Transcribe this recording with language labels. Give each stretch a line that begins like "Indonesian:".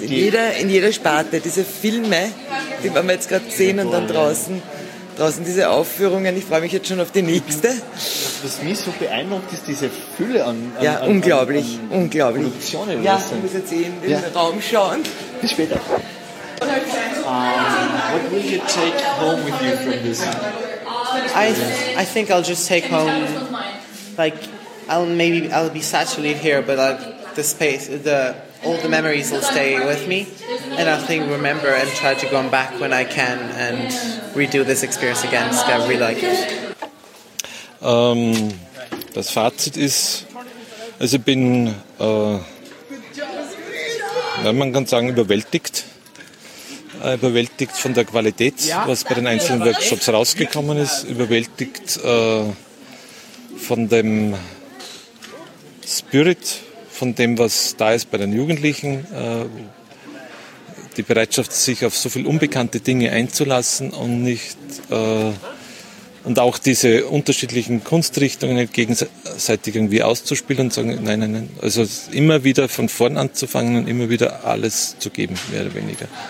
German: In jeder Sparte, diese Filme, die wir jetzt gerade sehen und dann draußen diese Aufführungen, ich freue mich jetzt schon auf die nächste. Was mich so beeindruckt, ist diese Fülle an ja, unglaublich, unglaublich. Produktionen. Ja, ich muss jetzt in den Raum schauen. Bis später.
English: What will you take home with you from this? I think I'll just take home, I'll be sad to leave here, but like the space, all the memories will stay with me, and I think remember and try to go back when I can and redo this experience again. So I really like it.
German: Das Fazit ist, also ich bin, man kann sagen, überwältigt. Überwältigt von der Qualität, was bei den einzelnen Workshops rausgekommen ist, überwältigt von dem Spirit, von dem, was da ist bei den Jugendlichen, die Bereitschaft, sich auf so viel unbekannte Dinge einzulassen und nicht und auch diese unterschiedlichen Kunstrichtungen gegenseitig irgendwie auszuspielen und sagen, nein, also immer wieder von vorn anzufangen und immer wieder alles zu geben, mehr oder weniger.